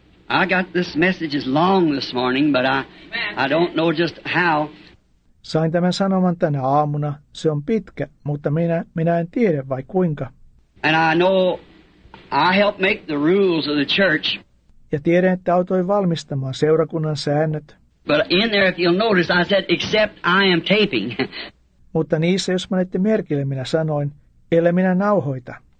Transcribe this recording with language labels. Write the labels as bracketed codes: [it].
[en] I got this message long this morning, but I don't know just how. [fi] Sain tämän sanoman tänä aamuna. Se on pitkä, mutta minä en tiedä vai kuinka. [en] And I know I helped make the rules of the church. [fi] Ja tiedän, että autoin valmistamaan seurakunnan säännöt. [en] But in there, if you'll notice, I said, except I am taping. [fi] Mutta niissä, jos menette merkille, minä sanoin, ellei minä nauhoita.